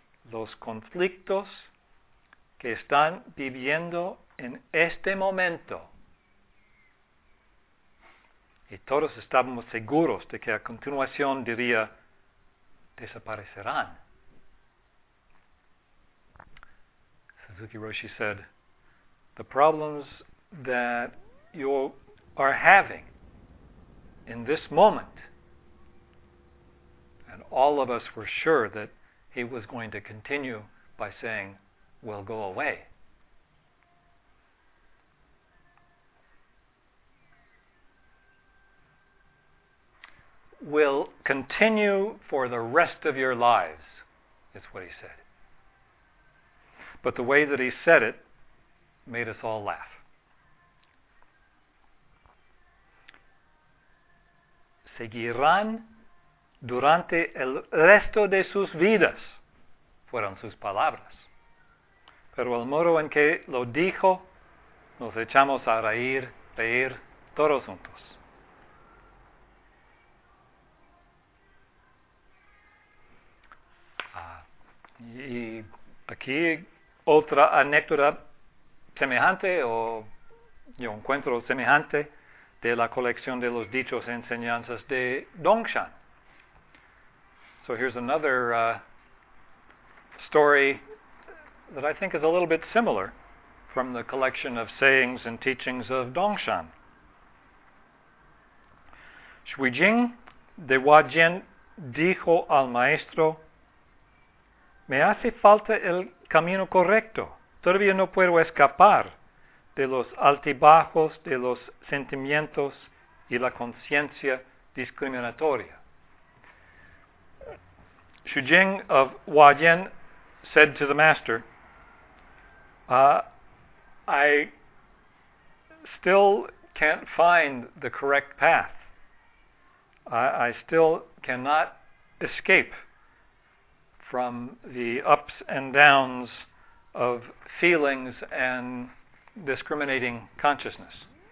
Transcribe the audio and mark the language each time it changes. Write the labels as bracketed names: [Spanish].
[Spanish] Los conflictos que están viviendo en este momento. Y todos estábamos seguros de que a continuación diría, desaparecerán. [English] Suzuki Roshi said, the problems that you are having in this moment And all of us were sure that he was going to continue by saying, "We'll go away." "Will continue for the rest of your lives," is what he said. But the way that he said it made us all laugh. [Spanish] "Seguirán durante el resto de sus vidas," fueron sus palabras. Pero el modo en que lo dijo, nos echamos a reír todos juntos. Y aquí otra anécdota semejante, o yo encuentro semejante, de la colección de los dichos e enseñanzas de Dongshan. [English] So here's another story that I think is a little bit similar from the collection of sayings and teachings of Dongshan. [Spanish] Shui Jing de Huajian dijo al maestro, "Me hace falta el camino correcto. Todavía no puedo escapar de los altibajos de los sentimientos y la conciencia discriminatoria." [English] Shui Jing of Huajian said to the master, "I still can't find the correct path. I still cannot escape from the ups and downs of feelings and discriminating consciousness."